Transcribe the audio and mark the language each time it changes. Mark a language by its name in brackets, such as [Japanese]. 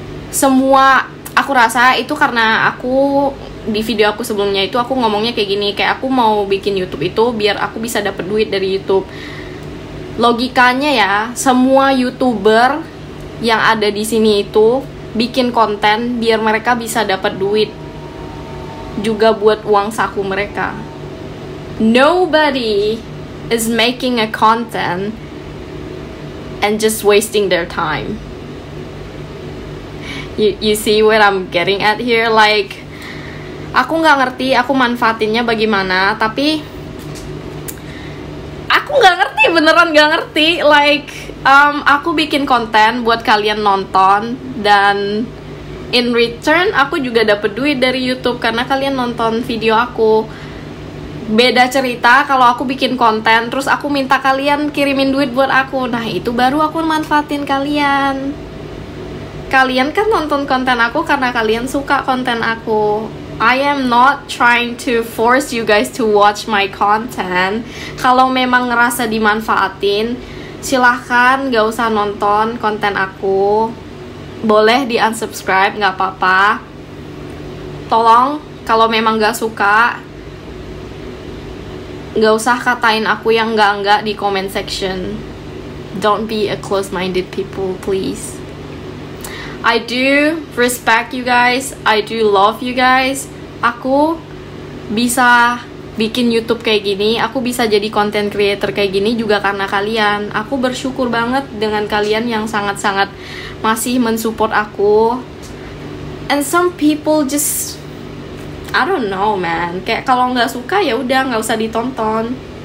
[Indonesian] Semua aku rasa itu karena aku di video aku sebelumnya itu aku ngomongnya kayak gini, kayak aku mau bikin YouTube itu biar aku bisa dapet duit dari YouTube. Logikanya ya, semua YouTuber yang ada di sini itu bikin konten biar mereka bisa dapet duit juga buat uang saku mereka. [English] Nobody is making a content and just wasting their time. You see what I'm getting at here? Like, [Indonesian] aku gak ngerti aku manfaatinnya bagaimana, tapi aku gak ngerti, beneran gak ngerti. Like, aku bikin konten buat kalian nonton, dan [English] in return [Indonesian] aku juga dapet duit dari YouTube karena kalian nonton video aku. Beda cerita kalau aku bikin konten terus aku minta kalian kirimin duit buat aku. Nah, itu baru aku manfaatin kalian. Kalian kan nonton konten aku karena kalian suka konten aku. [English] I am not trying to force you guys to watch my content. [Indonesian] Kalau memang ngerasa dimanfaatin, silahkan gak usah nonton konten aku. Boleh di unsubscribe, gak apa-apa. Tolong, kalau memang gak suka, gak usah katain aku yang enggak-enggak di comment section. [English] Don't be a close-minded people, please. I do respect you guys, I do love you guys. [Indonesian] Aku bisa bikin YouTube kayak gini, aku bisa jadi content creator kayak gini juga karena kalian. Aku bersyukur banget dengan kalian yang sangat-sangat masih mensupport aku. [English] And some people just, I don't know, man. [Indonesian] Kayak kalau nggak suka ya udah nggak usah ditonton.